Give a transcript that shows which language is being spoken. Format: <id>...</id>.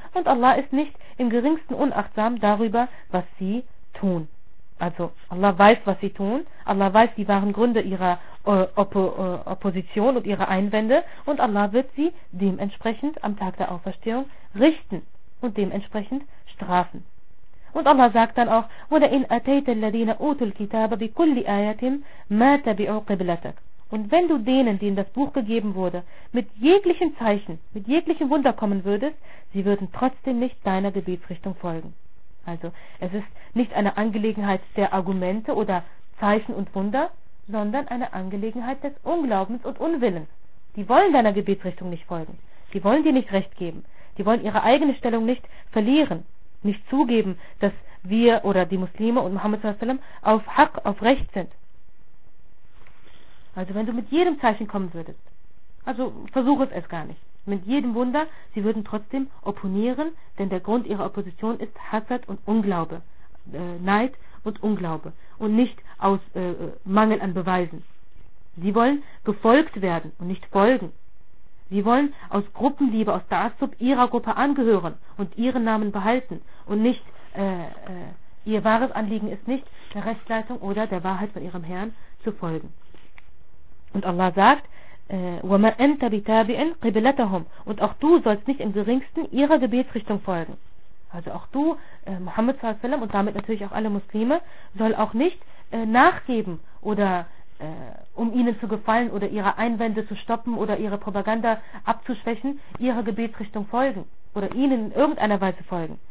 <de>Und Allah ist nicht im geringsten unachtsam darüber, was sie tun. Also Allah weiß, was sie tun. Allah weiß die wahren Gründe ihrer Opposition und ihre Einwände, und Allah wird sie dementsprechend am Tag der Auferstehung richten und dementsprechend strafen. Und Allah sagt dann auch:</de> <ar>وَلَئِنْ أَتَيْتَ الَّذِينَ أُوتُوا الْكِتَابَ بِكُلِّ آيَةٍ مَا تَبِعُوا قِبْلَتَكَ.</ar> <de>Und wenn du denen, denen das Buch gegeben wurde, mit jeglichen Zeichen, mit jeglichem Wunder kommen würdest, sie würden trotzdem nicht deiner Gebetsrichtung folgen. Also es ist nicht eine Angelegenheit der Argumente oder Zeichen und Wunder, sondern eine Angelegenheit des Unglaubens und Unwillens. Die wollen deiner Gebetsrichtung nicht folgen. Die wollen dir nicht recht geben. Die wollen ihre eigene Stellung nicht verlieren. Nicht zugeben, dass wir oder die Muslime und Muhammad sallallahu alaihi wasallam auf Haq, auf Recht sind. Also wenn du mit jedem Zeichen kommen würdest, also versuche es erst gar nicht. Mit jedem Wunder, sie würden trotzdem opponieren, denn der Grund ihrer Opposition ist Hasad und Unglaube, Neid und Unglaube und nicht aus Mangel an Beweisen. Sie wollen gefolgt werden und nicht folgen. Sie wollen aus Gruppenliebe, aus Ta'assub ihrer Gruppe angehören und ihren Namen behalten und nicht ihr wahres Anliegen ist nicht, der Rechtsleitung oder der Wahrheit von ihrem Herrn zu folgen. Und Allah sagt,</de> <ar>وَمَا أَنْتَ بِتَابِعٍ قِبْلَتَهُمْ.</ar> <de>Und auch du sollst nicht im geringsten ihrer Gebetsrichtung folgen. Also auch du, Muhammad sallallahu alaihi wasallam, und damit natürlich auch alle Muslime, soll auch nicht nachgeben oder um ihnen zu gefallen oder ihre Einwände zu stoppen oder ihre Propaganda abzuschwächen, ihrer Gebetsrichtung folgen oder ihnen in irgendeiner Weise folgen.</de>